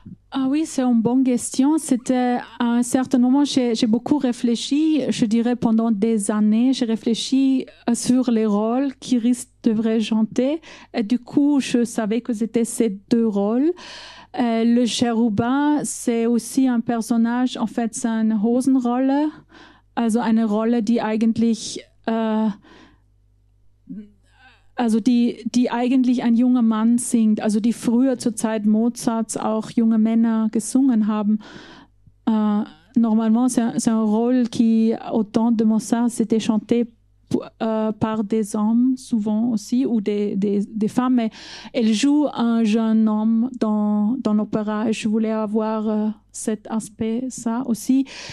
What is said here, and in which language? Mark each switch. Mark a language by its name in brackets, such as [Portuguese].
[French] Ah oui, c'est une bonne question. C'était à un certain moment, j'ai beaucoup réfléchi, je dirais pendant des années, j'ai réfléchi sur les rôles qu'Iris devrait chanter. Et du coup, je savais que c'était ces deux rôles. Le chérubin, c'est aussi un personnage, en fait, c'est un Hosenrolle. [German] also eine Rolle, die eigentlich also die eigentlich ein junger Mann singt, also die früher zur Zeit Mozarts auch junge Männer gesungen haben. [French] Normalement, c'est un rôle qui, au temps de Mozart, c'était chanté par des hommes, souvent aussi, ou des femmes, mais elle joue un jeune homme dans l'opéra, et je voulais avoir cet aspect, ça aussi.